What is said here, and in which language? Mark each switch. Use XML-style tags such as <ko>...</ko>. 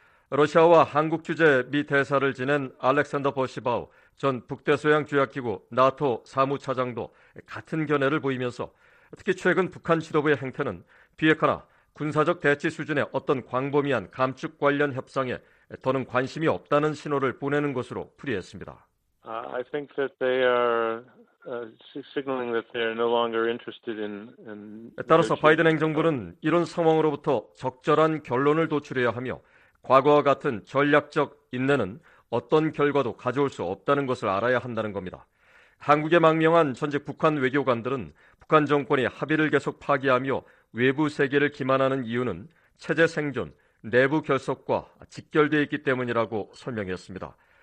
<ko>러시아와 한국 주재 미 대사를 지낸 알렉산더 버시바우 전 북대서양 조약기구 나토 사무차장도 같은 견해를 보이면서 특히 최근 북한 지도부의 행태는 비핵화나 군사적 대치 수준의 어떤 광범위한 감축 관련 협상에 더는 관심이 없다는 신호를 보내는 것으로 풀이했습니다.</ko> <en>I think that they are signaling that they are no longer interested in.</en> <ko>따라서 바이든 행정부는 이런 상황으로부터 적절한 결론을 도출해야 하며 과거와 같은 전략적 인내는 어떤 결과도 가져올 수 없다는 것을 알아야 한다는 겁니다. 한국에 망명한 전직 북한 외교관들은 북한 정권이 합의를 계속 파기하며 외부 세계를 기만하는 이유는 체제 생존, 내부 결속과 직결되어 있기 때문이라고 설명했습니다.</ko>